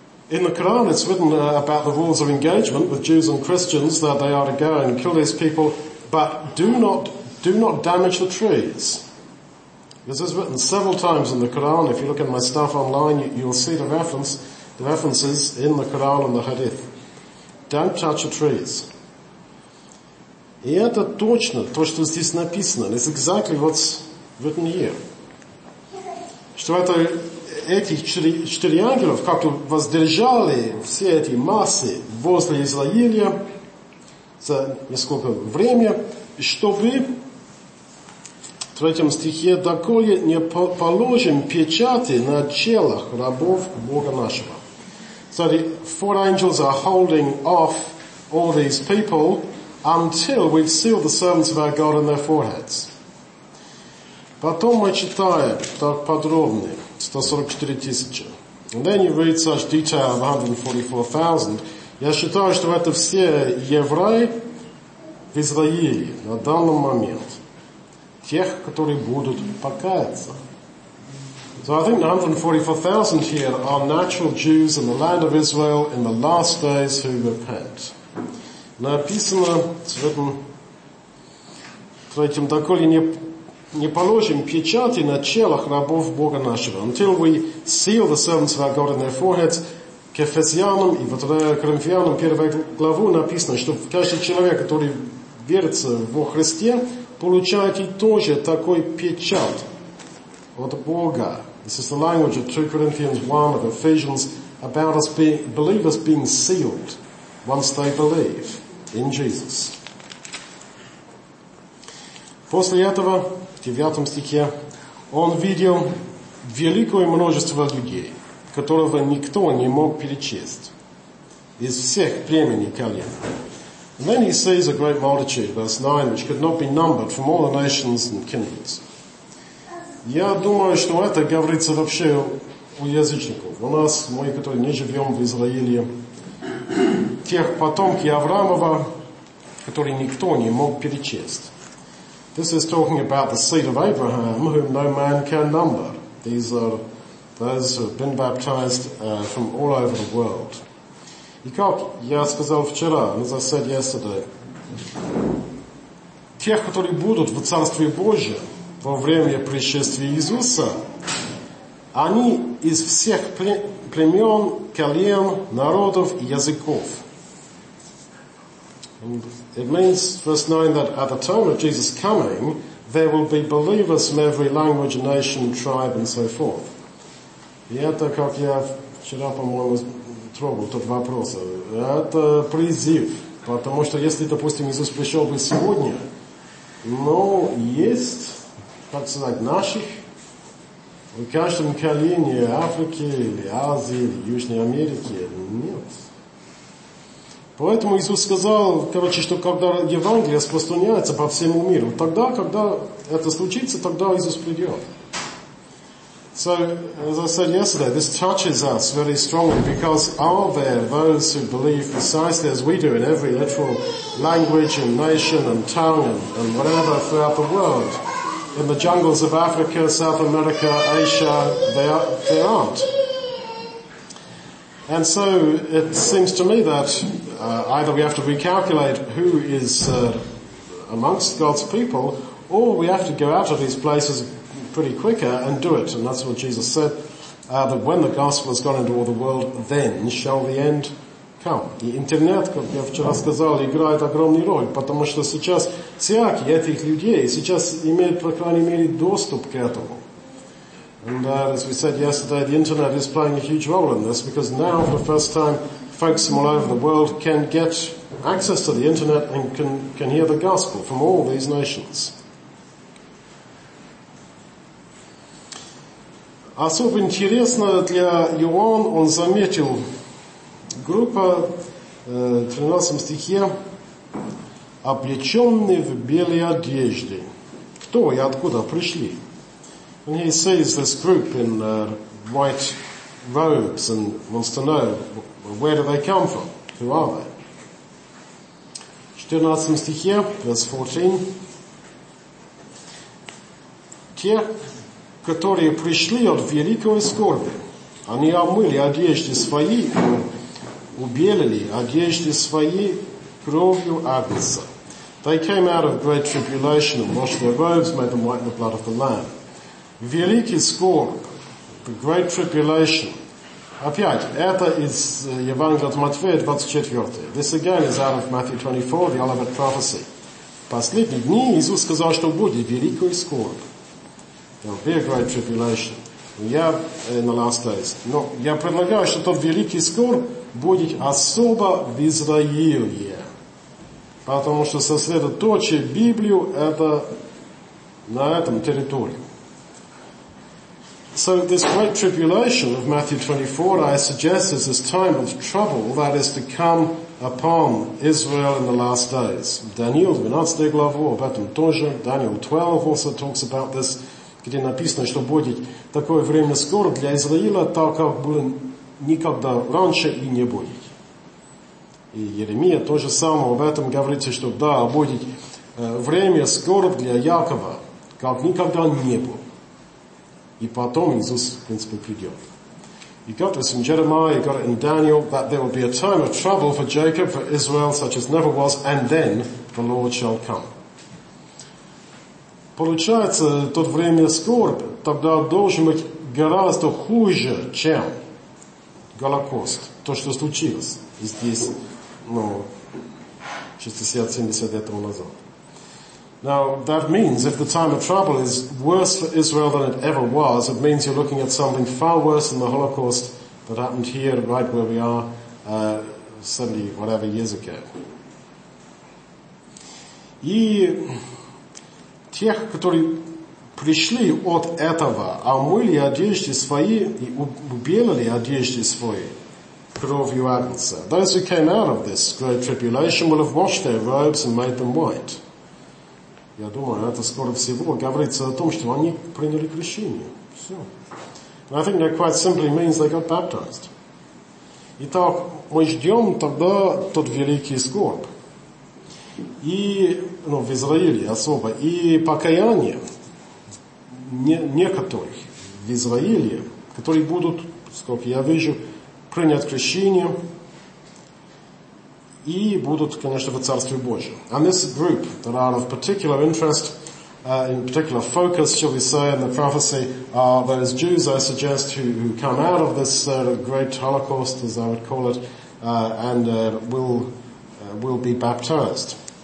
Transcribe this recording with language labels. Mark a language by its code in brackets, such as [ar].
[en] In the Quran, it's written about the rules of engagement with Jews and Christians that they are to go and kill these people, but do not damage the trees. This is written several times in the Quran. If you look at my stuff online, you'll see the references in the Quran and the Hadith. Don't touch the trees. [ru] И это точно то, что здесь написано. [en] It's exactly what's written here. [ru] Что это этих четыре ангелов как-то воздержали все эти массы возле Израиля за несколько времени, чтобы в третьем стихе доколе не положим печати на челах рабов Бога нашего. [en] So the four angels are holding off all these people until we've sealed the servants of our God on their foreheads. [ru] Потом мы читаем так подробно. 144 тысячи. [en] And then you read such detail of 144,000. [ru] Я считаю, что это все евреи в Израиле на данный момент. Тех, которые будут покаяться. [en] So I think 144,000 here are natural Jews in the land of Israel in the last days who repent. [ru] Написано в этом третьем доколе не положим печати на челах рабов Бога нашего. [en] Until we seal the servants of our God in their foreheads, [ru] к Ефесянам и вот Коринфянам 1 главу написано, что каждый человек, который верит во Христе, получает и тоже такой печать от Бога. [en] This is the language of 2 Corinthians 1 of Ephesians about us being, believers being sealed once they believe in Jesus. [ru] После этого, в 9 стихе, он видел великое множество людей, которого никто не мог перечесть из всех племен и колен. [en] And then he sees a great multitude, verse 9, which could not be numbered from all the nations and kindreds. [ru] Я думаю, что это говорится вообще у язычников. У нас, мы, которые не живем в Израиле, тех потомки Авраамова, которые никто не мог перечесть. [en] This is talking about the seed of Abraham, whom no man can number. These are those who have been baptized from all over the world. [ru] И как я сказал вчера, [en] as I said yesterday, [ru] тех, которые будут в Царстве Божьем во время пришествия Иисуса, они из всех племен, колен, народов и языков. [en] And it means, verse 9, that at the time of Jesus' coming, there will be believers from every language, nation, tribe, and so forth. [ru] И это, как я вчера, по-моему, трогал тот вопрос. Это призыв. Потому что, если, допустим, Иисус пришел бы сегодня, но есть, как сказать, наших, в каждом колене Африки, или Азии, или Южной Америки, нет. Поэтому Иисус сказал, короче, что когда Евангелие распространяется по всему миру, тогда, когда это случится, тогда Иисус придет. [en] So, as I said yesterday, this touches us very strongly, because are there those who believe precisely as we do in every literal language and nation and tongue and whatever throughout the world? In the jungles of Africa, South America, Asia, there aren't. And so it seems to me that either we have to recalculate who is amongst God's people, or we have to go out of these places pretty quicker and do it. And that's what Jesus said, that when the gospel has gone into all the world, then shall the end come. [ru] И интернет, как я вчера сказал, играет огромный роль, потому что сейчас всякие этих людей сейчас имеют, по крайней мере, доступ к этому. [en] And as we said yesterday, the internet is playing a huge role in this, because now, for the first time, folks from all over the world can get access to the internet and can hear the gospel from all these nations. [ru] Особо интересно для Иоанн, он заметил группа, 13 стихе, облеченные в белые одежды. Кто и откуда пришли? [en] And he sees this group in white robes and wants to know, where do they come from? Who are they? [ru] 14 стихе, [en] verse 14. [ru] Те, которые пришли от великой скорби, они омыли одежды свои, убелили одежды свои кровью Агнца. [en] They came out of great tribulation and washed their robes, made them white in the blood of the Lamb. [ru] Великий скорб, [en] the great tribulation. [ru] Опять, это из Евангелия от Матфея 24. [en] This again is out of Matthew 24, the Olivet prophecy. [ru] Последние дни Иисус сказал, что будет великий скорб. [en] There will be a great tribulation. In the last days. [ru] Но я предлагаю, что тот великий скорб будет особо в Израиле. Потому что сосредоточие Библию это на этом территории. [en] So this great tribulation of Matthew 24, I suggest, is this time of trouble that is to come upon Israel in the last days. [ru] Daniel 12 главу об этом тоже. [en] Daniel 12 also talks about this, [ru] где написано, что будет такое время скоро для Израиля, так как было никогда раньше и не будет. И Еремия то же самое об этом говорится, что да, будет время скоро для Якова, как никогда не было. И потом Иисус, в принципе, придет. [en] You got this in Jeremiah, you got it in Daniel, that there will be a time of trouble for Jacob, for Israel, such as never was, and then the Lord shall come. [ru] Получается, тот время скорби тогда должен быть гораздо хуже, чем Голокост. то, что случилось здесь, ну, 60-70 лет тому назад. [en] Now, that means if the time of trouble is worse for Israel than it ever was, it means you're looking at something far worse than the Holocaust that happened here, right where we are, 70-whatever years ago. [ru] И тех, которые пришли от этого, омыли одежды свои и убелили одежды свои кровью Агнца. [en] Those who came out of this great tribulation will have washed their robes and made them white. [ru] Я думаю, это скоро всего говорится о том, что они приняли крещение. Все. [en] And I think that quite simply means they got baptized. [ru] Итак, мы ждем тогда тот великий скорбь. И, ну, в Израиле особо. И покаяние некоторых в Израиле, которые будут, сколько я вижу, принять крещение и будут, конечно, во Царстве Божьем. [en] And this group that are of particular interest, in particular focus, shall we say, in the prophecy, are those Jews, I suggest, who come out of this great Holocaust, as I would call it, and will be baptized.